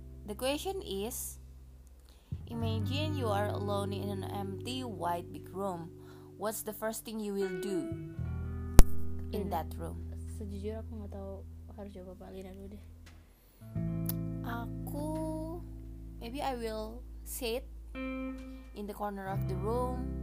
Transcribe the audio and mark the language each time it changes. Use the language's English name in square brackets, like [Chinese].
[English] The question is, imagine you are alone in an empty white big room. What's the first thing you will do in that room? [Indonesian] Sejujurnya aku enggak tahu harus jawab apa Lina dulu deh. Aku [English] maybe I will sit in the corner of the room.